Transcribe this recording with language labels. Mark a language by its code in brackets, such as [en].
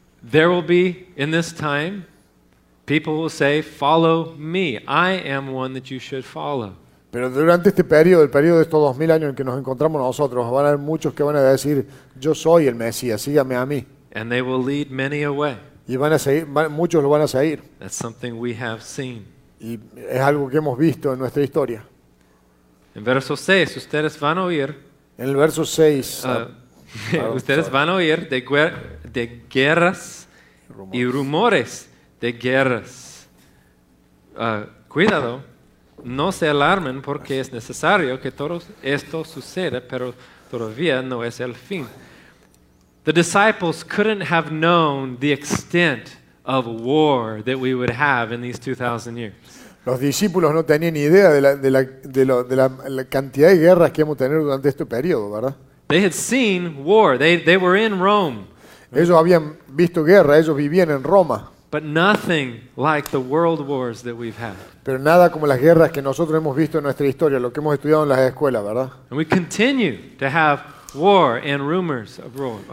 [en] There will be in this time people will say, follow me. I am one that you should follow. [es] Pero durante este periodo, el periodo de estos 2000 años en que nos encontramos nosotros, van a haber muchos que van a decir, yo soy el Mesías, sígame a mí. [en] And they will lead many away. [es] Y van a seguir, muchos lo van a seguir. [en] That's something we have seen. [es] Y es algo que hemos visto en nuestra historia. En verso 6, ustedes van a oír. En el verso 6. Ustedes van a oír de guerras rumores. Y rumores de guerras. Cuidado, no se alarmen porque es necesario que todo esto suceda, pero todavía no es el fin. [en] The disciples couldn't have known the extent of war that we would have in these 2,000 years. [es] Los discípulos no tenían idea de la cantidad de guerras que hemos tenido durante este periodo, ¿verdad? [en] They had seen war. They were in Rome. [es] Ellos habían visto guerra. Ellos vivían en Roma. [en] But nothing like the world wars that we've had. [es] Pero nada como las guerras que nosotros hemos visto en nuestra historia, lo que hemos estudiado en las escuelas, ¿verdad? [en] And we continue to have war and rumors of war.